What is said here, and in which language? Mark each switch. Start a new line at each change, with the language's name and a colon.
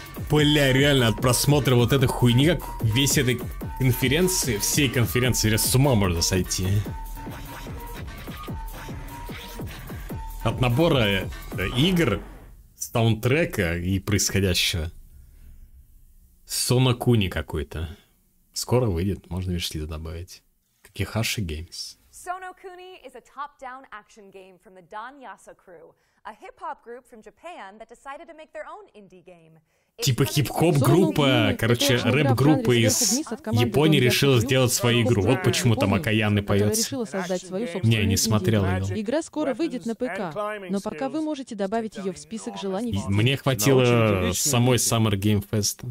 Russian: Бля, реально, от просмотра вот этой хуйни, как весь этой конференции, всей конференции, с ума можно сойти. От набора игр, саундтрека и происходящего. Сона Куни какой-то. Скоро выйдет, можно вишлиды добавить. Как и Хаши Геймс.
English: Sono Kuni is a top-down action game from the Danyasa Crew, a hip-hop group from Japan that decided to make their own indie game.
Russian: Типа хип-хоп группа, короче, рэп-группа из Японии решила сделать свою игру. Вот почему там Акаяны поет. Не, не смотрел ее. Игра скоро выйдет на ПК, но пока вы можете добавить ее в список желаний. Мне хватило самой Summer Game Fest.